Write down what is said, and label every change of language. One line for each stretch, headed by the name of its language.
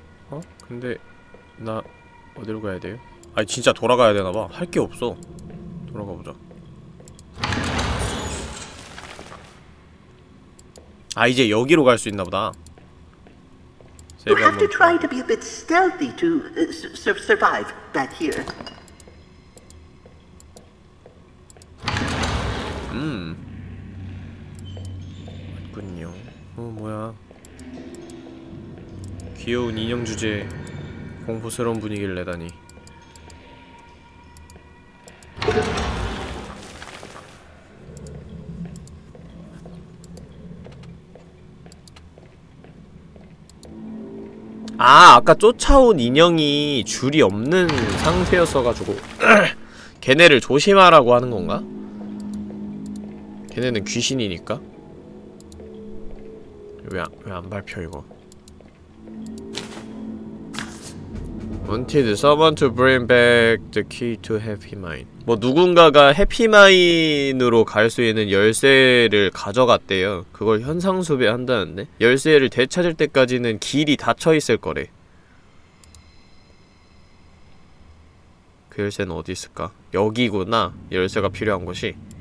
Korean: 어? 근데 나 어디로 가야 돼요? 아니 진짜 돌아가야 되나봐. 할 게 없어. 돌아가보자. 아 이제 여기로 갈 수 있나보다.
English: You have to try to be a bit stealthy to survive back here.
Korean: Maitgunyo. Oh, 뭐야? 귀여운 인형 주제에 공포스러운 분위기를 내다니. 아, 아까 쫓아온 인형이 줄이 없는 상태였어가지고 걔네를 조심하라고 하는 건가? 걔네는 귀신이니까? 왜 안 밟혀 이거?
English: Wanted someone to bring back the key to Happy Mind.
Korean: 뭐 누군가가 해피마인으로 갈 수 있는 열쇠를 가져갔대요. 그걸 현상소비한다는데? 열쇠를 되찾을 때까지는 길이 닫혀있을 거래. 그 열쇠는 어디 있을까? 여기구나. 열쇠가 필요한 곳이.